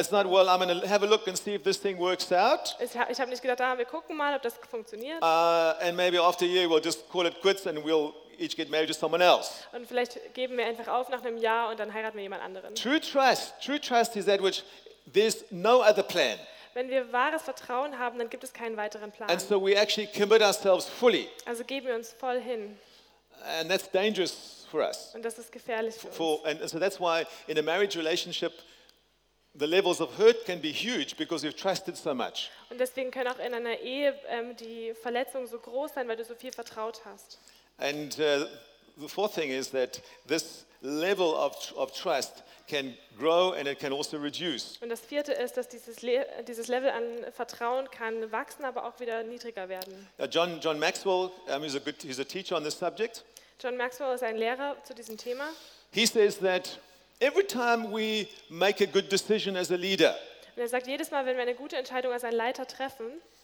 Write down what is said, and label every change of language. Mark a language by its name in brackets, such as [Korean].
[English] It's not well. I'm going to have a look and see if this thing works out. [German] Ich habe nicht gedacht, ah, wir gucken mal, ob das funktioniert. [English] And maybe after a year we'll just call it quits and we'll each get married to someone else. [German] Und vielleicht geben wir einfach auf nach einem Jahr und dann heiraten wir jemand anderen. [English] True trust is that which there's no other plan. [German] Wenn wir wahres Vertrauen haben, dann gibt es keinen weiteren Plan. [English] And so we actually commit ourselves fully. [German] Also geben wir uns voll hin. [English] And that's dangerous for us. [German] Und das ist gefährlich für uns. [English] And so that's why in a marriage relationship the levels of hurt can be huge because you've trusted so much. [German] Und deswegen können auch in einer Ehe die Verletzungen so groß sein, weil du so viel vertraut hast. [English] And the fourth thing is that this level of trust can grow and it can also reduce. [German] Und das vierte ist, dass dieses Level an Vertrauen kann wachsen, aber auch wieder niedriger werden. [English] John Maxwell, he's a teacher on this subject. [German] John Maxwell ist ein Lehrer zu diesem Thema. [English] He says that every time we make a good decision as a leader. [German] Und er sagt, jedes Mal, wenn wir eine gute Entscheidung als ein Leiter treffen,